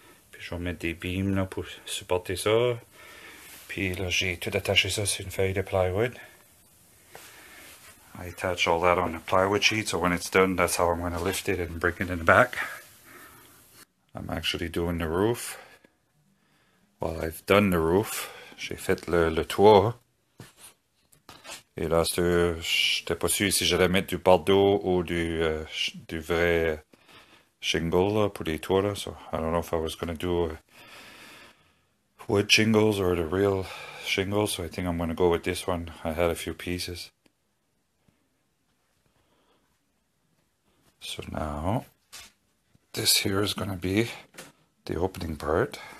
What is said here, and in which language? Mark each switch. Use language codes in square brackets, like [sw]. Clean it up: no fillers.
[fr] Puis je vais mettre des beams là pour supporter ça. Puis là, j'ai tout attaché ça sur une feuille de plywood. [en] I attach all that on a plywood sheet, so when it's done, that's how I'm going to lift it and bring it in the back. I'm actually doing the roof. Well, I've done the roof. [fr] J'ai fait le toit. Et là, je n'étais pas sûr si j'allais mettre du bardeau ou du vrai shingle là, pour les toits. Là. [en] So, I don't know if I was going to do wood shingles or the real shingles. So I think I'm going to go with this one. I had a few pieces. So now, this here is going to be the opening part.